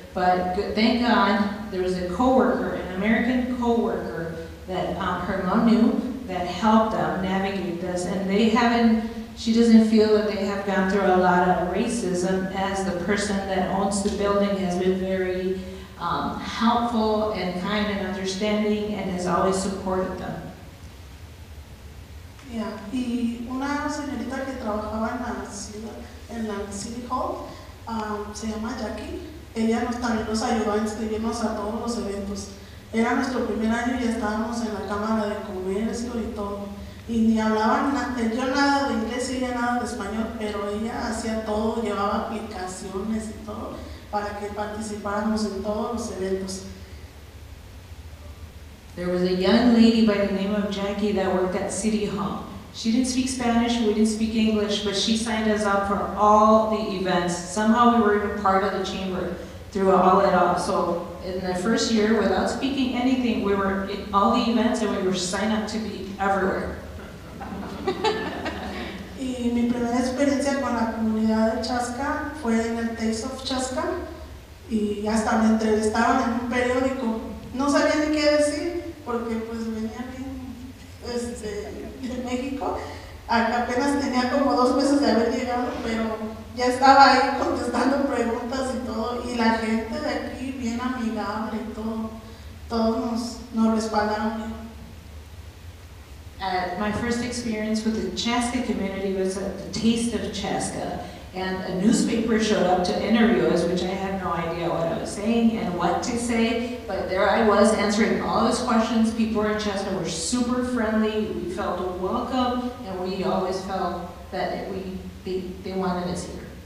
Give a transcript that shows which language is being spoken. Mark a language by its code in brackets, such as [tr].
[en] But good, thank God there was a coworker, an American coworker, that her mom knew, that helped them navigate this. And they haven't, She doesn't feel that they have gone through a lot of racism, as the person that owns the building has been very helpful and kind and understanding and has always supported them. [es] Yeah, y una señorita que trabajaba en la City Hall, se llama Jackie, ella nos, también nos ayudó a inscribirnos a todos los eventos. Era nuestro primer año y ya estábamos en la Cámara de Comercio y todo. Y ni hablaban, yo nada de inglés y ella nada de español, pero ella hacía todo, llevaba aplicaciones y todo para que participáramos en todos los eventos. [en] There was a young lady by the name of Jackie that worked at City Hall. She didn't speak Spanish, we didn't speak English, but she signed us up for all the events. Somehow we were even part of the chamber through all it all. So in the first year, without speaking anything, we were in all the events and we were signed up to be everywhere. [es] Y mi primera experiencia con la comunidad de Chaska fue en el Taste of Chaska. Y hasta me entrevistaron en un periódico. No sabía ni qué decir. Porque pues venía bien de México, apenas tenía como dos meses de haber llegado, pero ya estaba ahí contestando preguntas y todo, y la gente de aquí bien amigable y todo, todos nos respaldaron. [en] My first experience with the Chaska community was at the Taste of Chaska, and a newspaper showed up to interview us, which I had no idea what I was saying and what to say, but there I was answering all those questions. People in Chaska were super friendly, we felt welcome, and we always felt that they wanted us here.